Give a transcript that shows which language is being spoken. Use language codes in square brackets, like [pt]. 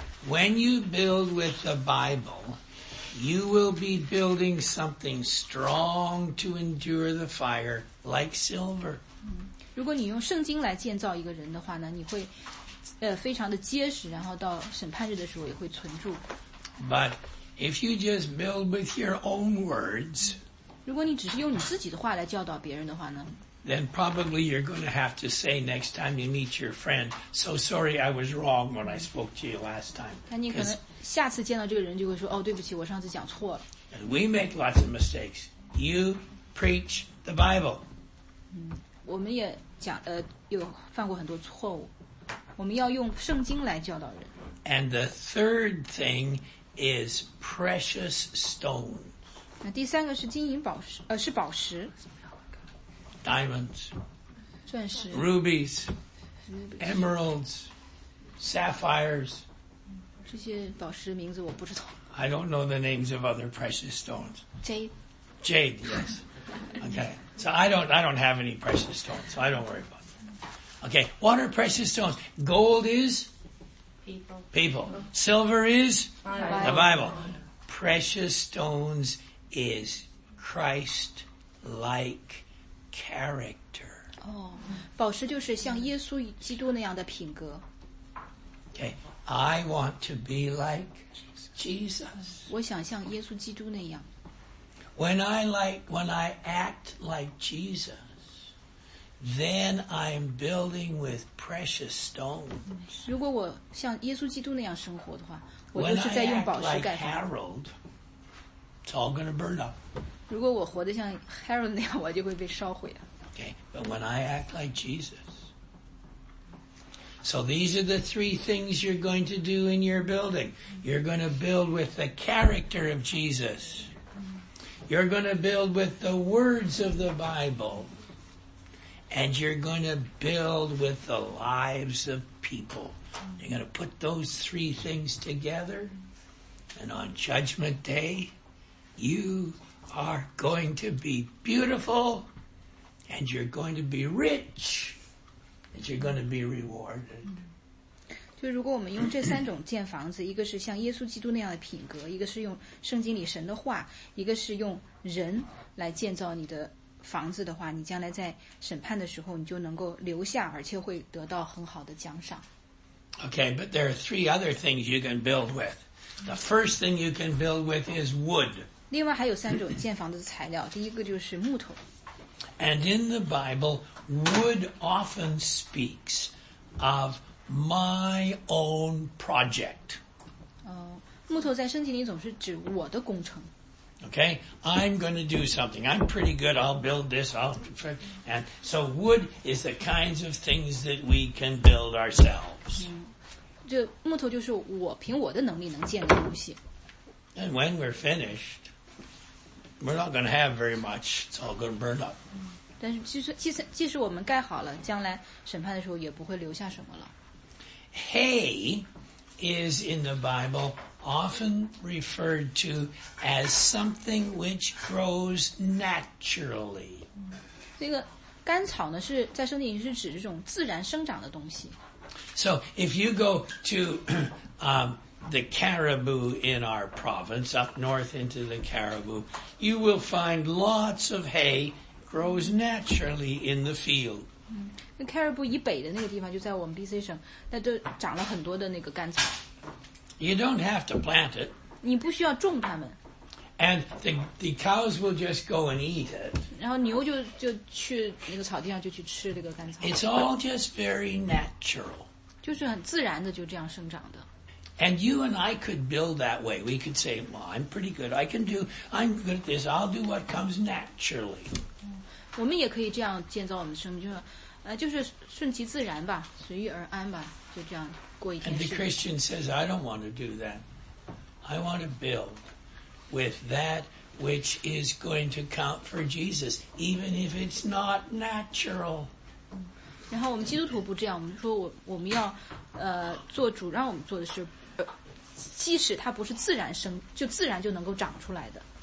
[en] When you build with the Bible, you will be building something strong to endure the fire, like silver. [zh] 如果你用圣经来建造一个人的话呢，你会，非常的结实，然后到审判日的时候也会存住。 [en] But if you just build with your own words, [zh] 如果你只是用你自己的话来教导别人的话呢 [en] ，then probably you're going to have to say next time you meet your friend, "So sorry, I was wrong when I spoke to you last time." [zh] 那你可能下次见到这个人就会说，哦，对不起，我上次讲错了。 [en] And we make lots of mistakes. You preach the Bible. [zh] 我们也讲有犯过很多错误。我们要用圣经来教导人。 [en] And the third thing is precious stones. [zh] 那第三个是金银宝石，是宝石。 [en] diamonds, [zh] 钻石, [en] rubies, emeralds, sapphires. [zh] 这些宝石名字我不知道。 [en] I don't know the names of other precious stones. Jade. Jade, yes. Okay. So I don't have any precious stones, so I don't worry about that. Okay. What are precious stones? Gold is? People. Silver is? Bible. The Bible. Precious stones is Christ-like character. [zh] Oh, 宝石就是像耶稣基督那样的品格。 [en] Okay. I want to be like Jesus. [zh] 我想像耶稣基督那样。 [en] When I act like Jesus, then I'm building with precious stones. [zh] 如果我像耶稣基督那样生活的话，我就是在用宝石盖房。 [en] When I act like Harold, it's all going to burn up. [zh] 如果我活得像 Harold 那样，我就会被烧毁了。 [en] Okay, but when I act like Jesus, so these are the three things you're going to do in your building. You're going to build with the character of Jesus. You're going to build with the words of the Bible. And you're going to build with the lives of people. You're going to put those three things together. And on Judgment Day, you are going to be beautiful. And you're going to be rich. And you're going to be rewarded. [zh] 就如果我们用这三种建房子，一个是像耶稣基督那样的品格，一个是用圣经里神的话，一个是用人来建造你的房子的话，你将来在审判的时候，你就能够留下，而且会得到很好的奖赏。 [en] Okay, but there are three other things you can build with. The first thing you can build with is wood. [zh] 另外还有三种建房子的材料，第一个就是木头。 [en] And in the Bible, wood often speaks of my own project. [zh] 木头在圣经里总是指我的工程。 [en] Okay, I'm going to do something. I'm pretty good. I'll build this. And so wood is the kinds of things that we can build ourselves. [zh] 这木头就是我凭我的能力能建的东西。 [en] And when we're finished,We're not going to have very much. It's all going to burn up. [zh] 但是即使我们盖好了，将来审判的时候也不会留下什么了。 [en] Hay is in the Bible often referred to as something which grows naturally. [zh] 那个干草呢，是在圣经里是指这种自然生长的东西。 [en] So if you go to, the caribou in our province, up north into the caribou, you will find lots of hay grows naturally in the field. [zh] 那caribou以北的那个地方就在我们 BC 省，那都长了很多的那个干草。 [en] You don't have to plant it. [zh] 你不需要种它们。 [en] And the cows will just go and eat it. [zh] 然后牛就去那个草地上就去吃这个干草。 [en] It's all just very natural. [zh] 就是很自然的就这样生长的。 [en] And you and I could build that way. We could say, well, I'm pretty good. I'm good at this. I'll do what comes naturally. [zh] 我们也可以这样建造我们的生命，就是就是顺其自然吧，随遇而安吧，就这样过一天。 [en] And the Christian says, I don't want to do that. I want to build with that which is going to count for Jesus, even if it's not natural. [zh] 然后我们基督徒不这样，我们说我们要做主让我们做的事。即使它不是自然生，就自然就能够长出来的。